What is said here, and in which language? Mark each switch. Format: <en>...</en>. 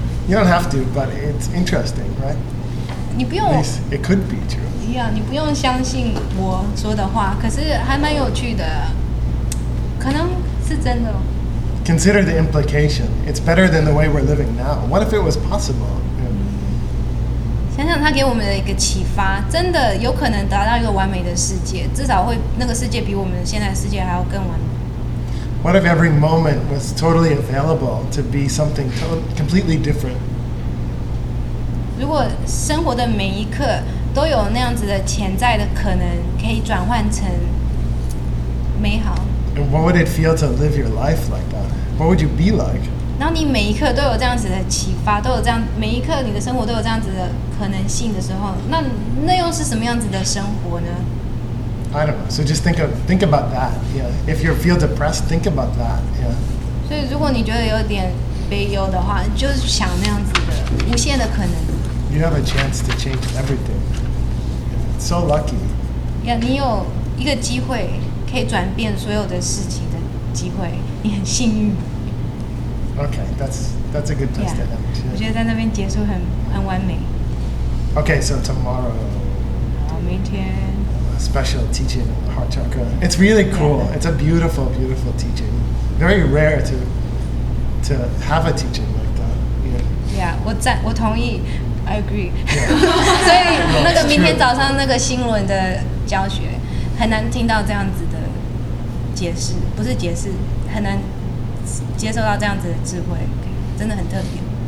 <en>？You don't have to, but it's interesting, right?</en> <zh>你不用</zh> <en>It could be true.</en> <zh>Yeah, 你不用相信我说的话，可是还蛮有趣的，可能是真的。</zh> <en>Consider the implication. It's better than the way we're living now. What if it was possible?</en> <zh>想想他给我们的一个启发，真的有可能达到一个完美的世界，至少会那个世界比我们现在的世界还要更完美。</zh> <en>What if every moment was totally available to be something completely different?</en> <zh>如果生活的每一刻都有那样子的潜在的可能，可以转换成美好。</zh> <en>And what would it feel to live your life like that? What would you be like?</en> <zh>然后你每一刻都有这样子的启发，都有这样每一刻你的生活都有这样子的可能性的时候，那又是什么样子的生活呢？</zh> <en>I don't know. So just think about that. Yeah. If you feel depressed, think about that. Yeah.</en> <zh>所以如果你觉得有点悲忧的话，就是想那样子的无限的可能。</zh> <en>You have a chance to change everything. So lucky.</en> <zh>Yeah, 你有一个机会可以转变所有的事情的机会，你很幸运。</zh> <en>Okay, that's a good place to end.</en> <zh>我觉得在那边结束很完美。</zh> <en>Okay, so tomorrow.</en> <zh>好，明天。</zh> <en>Special teaching on the heart chakra. It's really cool. It's a beautiful, beautiful teaching. Very rare to have a teaching like that. Yeah,</en> <zh>我同意</zh> <en>I agree. Yeah.</en> <zh>所以那个明天早上那个新闻的教学很难听到这样子的解释，不是解释，很难接受到这样子的智慧，真的很特别。</zh>